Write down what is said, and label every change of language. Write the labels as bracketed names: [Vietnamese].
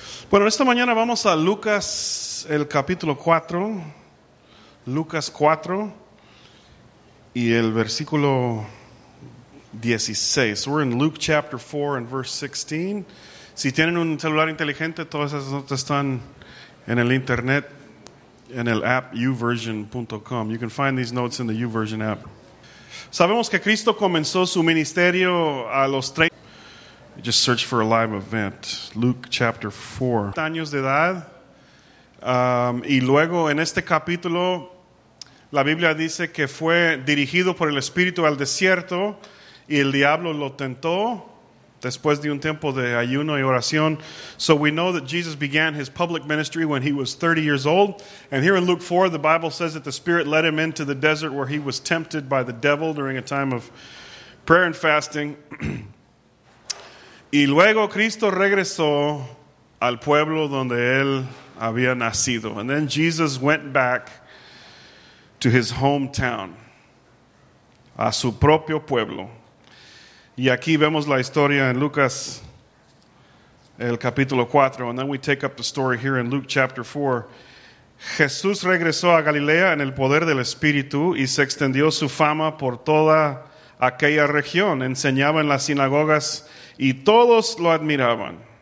[Spanish] Bueno, esta mañana vamos a Lucas, el capítulo 4, Lucas 4 y el versículo 16. [English] We're in Luke chapter 4 and verse 16. [Spanish] Si tienen un celular inteligente, todas esas notas están en el internet, en el app uversion.com. [English] You can find these notes in the uversion app. [Spanish] Sabemos que Cristo comenzó su ministerio a los 30. [English] Just search for a live event. Luke chapter 4. [Spanish] Años de edad. Y luego en este capítulo, la Biblia dice que fue dirigido por el Espíritu al desierto y el diablo lo tentó después de un tiempo de ayuno y oración. [English] So we know that Jesus began his public ministry when he was 30 years old. And here in Luke 4, the Bible says that the Spirit led him into the desert where he was tempted by the devil during a time of prayer and fasting. [Spanish] Y luego Cristo regresó al pueblo donde él había nacido. [English] And then Jesus went back to his hometown, [Spanish] a su propio pueblo. Y aquí vemos la historia en Lucas, el capítulo 4. [English] And then we take up the story here in Luke chapter 4. [Spanish] Jesús regresó a Galilea en el poder del Espíritu y se extendió su fama por toda aquella región. Enseñaba en las sinagogas y todos lo admiraban.